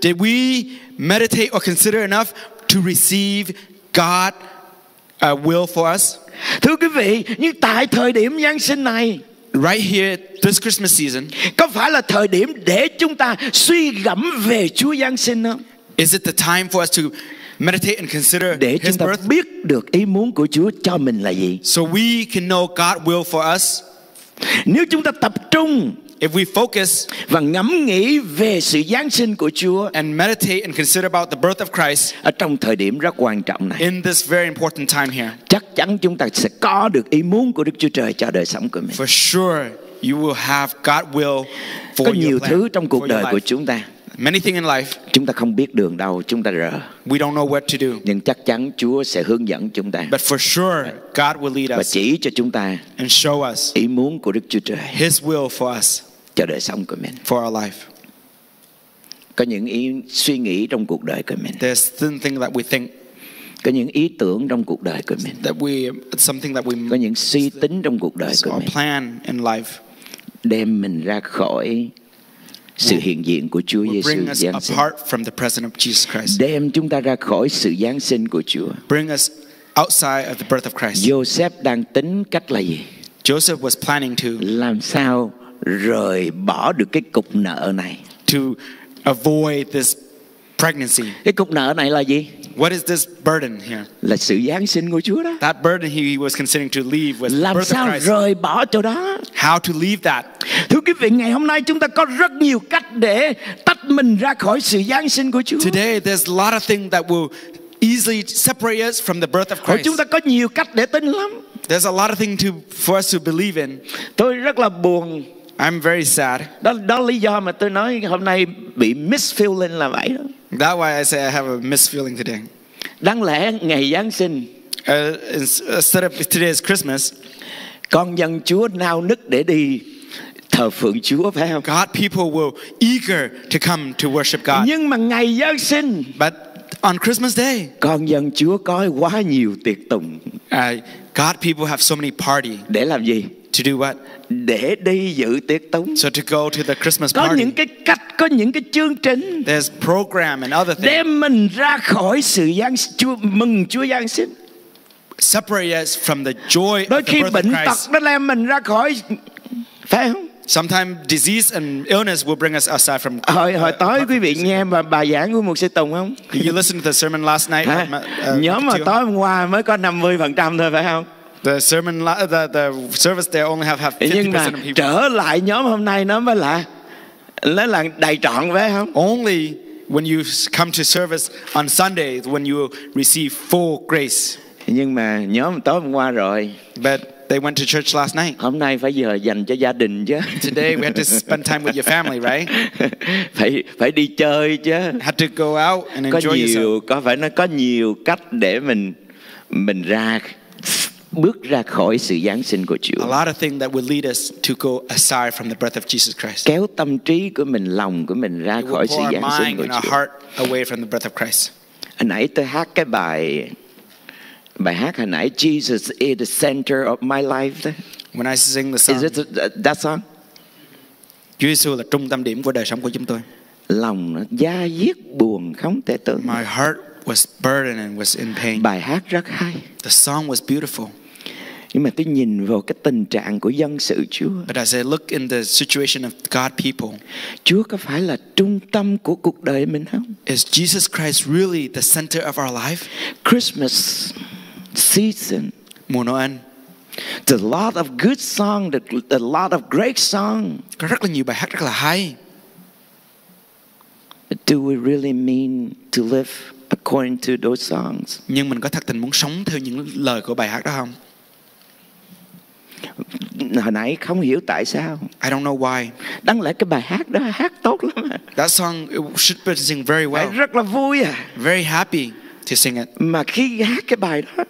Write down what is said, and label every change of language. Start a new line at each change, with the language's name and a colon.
English: Did we meditate or consider enough to receive God's will for us?
Vietnamese: Thưa quý vị, nhưng tại thời điểm Giáng sinh này,
English: right here, this Christmas season,
Vietnamese: có phải là thời điểm để chúng ta suy gẫm về Chúa Giáng sinh không?
English: Is it the time for us to meditate and consider
Vietnamese: để chúng ta
English: birth?
Vietnamese: Biết được ý muốn của Chúa cho mình là gì?
English: So we can know God's will for us.
Vietnamese: Nếu chúng ta tập trung,
English: if we focus,
Vietnamese: và ngẫm nghĩ về sự giáng sinh của Chúa,
English: and meditate and consider about the birth of Christ,
Vietnamese: ở trong thời điểm rất quan trọng này,
English: in this very important time here,
Vietnamese: chắc chắn chúng ta sẽ có được ý muốn của Đức Chúa Trời cho đời sống của mình.
English: For sure, you will have God's will for life.
Vietnamese: Có nhiều thứ trong cuộc đời của chúng ta.
English: Many things in life.
Vietnamese: Chúng ta không biết đường đâu, chúng ta rờ.
English: We don't know what to do.
Vietnamese: Nhưng chắc chắn Chúa sẽ hướng dẫn chúng ta.
English: But for sure, God will lead us.
Vietnamese: Và chỉ cho chúng ta.
English: And show us.
Vietnamese: Ý muốn của Đức Chúa Trời.
English: His will for us.
Vietnamese: Cho đời sống của mình.
English: For our life.
Vietnamese: Có những ý suy nghĩ trong cuộc đời của mình.
English: There's something that we think.
Vietnamese: Có những ý tưởng trong cuộc đời của mình.
English: That we something that we.
Vietnamese: Có những suy tính trong cuộc đời của mình.
English: Our plan in life.
Vietnamese: đem mình ra khỏi sự hiện diện của Chúa Giêsu Giáng sinh.
English: Bring us apart from the presence of Jesus Christ.
Vietnamese: Đem chúng ta ra khỏi sự Giáng sinh của Chúa.
English: Bring us outside of the birth of Christ.
Vietnamese: Joseph đang tính cách là gì?
English: Joseph was planning to
Vietnamese: làm sao rời bỏ được cái cục nợ này.
English: To avoid this pregnancy.
Vietnamese: Cái cục nợ này là gì?
English: What is this burden here?
Vietnamese: Là sự giáng sinh của Chúa đó.
English: That burden he was considering to leave was
Vietnamese: làm
English: birth
Vietnamese: sao
English: of Christ.
Vietnamese: Rời bỏ chỗ đó?
English: How to leave that?
Vietnamese: Thưa quý vị, ngày hôm nay chúng ta có rất nhiều cách để tách mình ra khỏi sự giáng sinh của Chúa.
English: Today there's a lot of things that will easily separate us from the birth of Christ.
Vietnamese: Chúng ta có nhiều cách để tin lắm.
English: There's a lot of things for us to believe in.
Vietnamese: Tôi rất là buồn.
English: I'm very sad.
Vietnamese: Đó lý do mà tôi nói hôm nay bị
English: miss feeling
Vietnamese: là vậy đó.
English: That's why I say I have a miss feeling today.
Vietnamese: Đáng lẽ ngày Giáng sinh,
English: instead of today is Christmas,
Vietnamese: con dân Chúa nao nức để đi thờ phượng Chúa phải không?
English: God people will eager to come to worship God.
Vietnamese: Nhưng mà ngày Giáng sinh,
English: but on Christmas day,
Vietnamese: con dân Chúa có quá nhiều tiệc tùng.
English: God people have so many party.
Vietnamese: Để làm gì?
English: To do what?
Vietnamese: Để đi dự tiệc tùng.
English: So to go to the Christmas
Vietnamese: có
English: party.
Vietnamese: Có những cái cách, có những cái chương trình.
English: There's program and other things.
Vietnamese: Đem mình ra khỏi sự giáng sinh, mừng Chúa Giáng sinh.
English: Separate us from the joy
Vietnamese: đôi
English: of the birth of Christ.
Vietnamese: Đôi khi bệnh tật nó đem mình ra khỏi, phải không?
English: Sometimes disease and illness will bring us aside from.
Vietnamese: Hồi tối quý vị nghe mà bài giảng của mục sư Tùng không?
English: Did you listen to the sermon last night?
Vietnamese: Nhóm mà tối hôm qua mới có 50% thôi phải không?
English: The sermon, the service there only have 50%
Vietnamese: nhưng mà
English: of people.
Vietnamese: Trở lại nhóm hôm nay nó mới là đầy trọn phải không?
English: Only when you come to service on Sunday when you receive full grace.
Vietnamese: Nhưng mà nhóm tối hôm qua rồi.
English: But they went to church last night.
Vietnamese: Hôm nay phải giờ dành cho gia đình chứ.
English: Today we had to spend time with your family, right?
Vietnamese: phải đi chơi chứ.
English: Had to go out and enjoy yourself.
Vietnamese: Có phải nó có nhiều cách để mình ra bước ra khỏi sự giáng sinh của Chúa.
English: A lot of things that would lead us to go aside from the birth of Jesus Christ.
Vietnamese: Kéo tâm trí của mình, lòng của mình ra khỏi sự giáng sinh của Chúa.
English: Our heart away from the birth of Christ.
Vietnamese: Hồi nãy tôi hát cái bài hát hồi nãy,
English: Jesus is the center of my life. When I sing the song, is it that song?
Vietnamese: Chúa Giêsu là trung tâm điểm của đời sống của chúng tôi. Lòng nó da diết buồn không thể tưởng.
English: My heart was burdened and was in pain.
Vietnamese: Bài hát rất hay.
English: The song was beautiful.
Vietnamese: Nhưng mà tôi nhìn vào cái tình trạng của dân sự Chúa.
English: But as I look in the situation of God people,
Vietnamese: Chúa có phải là trung tâm của cuộc đời mình không?
English: Is Jesus Christ really the center of our life? Christmas season,
Vietnamese: mùa Noel.
English: The lot of good song, the lot of great song.
Vietnamese: Có rất là nhiều bài hát rất là hay.
English: Do we really mean to live according to those songs?
Vietnamese: Nhưng mình có thật tình muốn sống theo những lời của bài hát đó không? Hồi nãy không hiểu tại sao.
English: I don't know why.
Vietnamese: Đáng lẽ cái bài hát đó hát tốt lắm.
English: That song should be sing very well.
Vietnamese: Rất là vui à.
English: Very happy to sing it.
Vietnamese: Mà khi hát cái bài đó,